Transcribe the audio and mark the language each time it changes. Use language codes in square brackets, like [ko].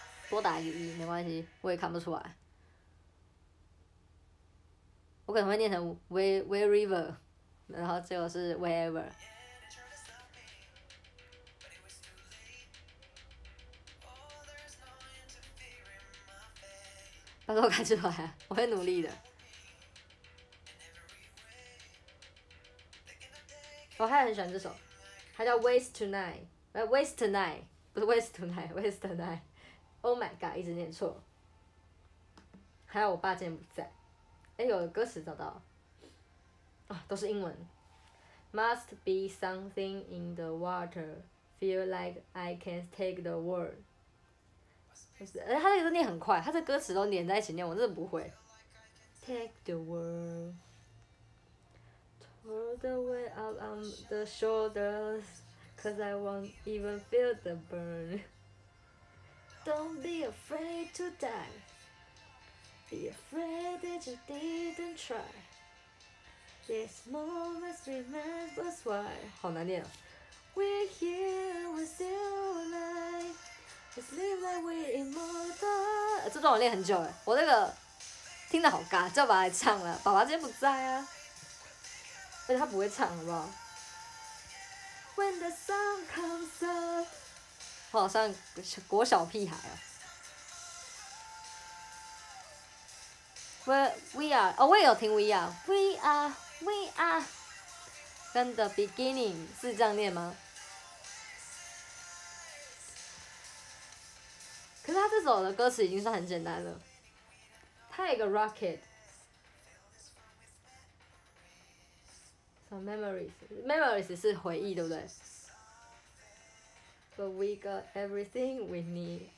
[zh] 多打一个一没关系，我也看不出来，我可能会念成 wherever， 然后最后是 wherever。拜托看出来，我会努力的。我还很喜欢这首，它叫 [en] waste tonight， [zh] waste tonight 不是 waste tonight， waste tonight。 [en] Oh my god， [zh] 一直念错。还有我爸今天不在。哎，有歌词找到了。都是英文。 [en] Must be something in the water. Feel like I can take the world. [zh] 他这个都念很快，他的歌词都连在一起念，我真的不会。 [en] Take the world, throw the weight up on the shoulders, cause I won't even feel the burn. Don't be afraid to die, be afraid that you didn't try. This moment remembers why. [zh] 好难念啊。 [en] We're here, we're still alive. Let's live like we're immortal. [zh] 这段我练很久哎，我那个听得好尬，叫爸来唱了。爸爸今天不在啊，而且他不会唱，好不好 [en] ？When the sun comes up， [zh] 我好像国小屁孩啊。 [en] We are， [zh] 哦，我也有听 We are， [en] We are， We are， From the beginning [zh] 是这样念吗？可是他这首的歌词已经算很简单了，他有一个 rocket， [en] some memories [zh] 是回忆对不对？ [en] But we got everything we need，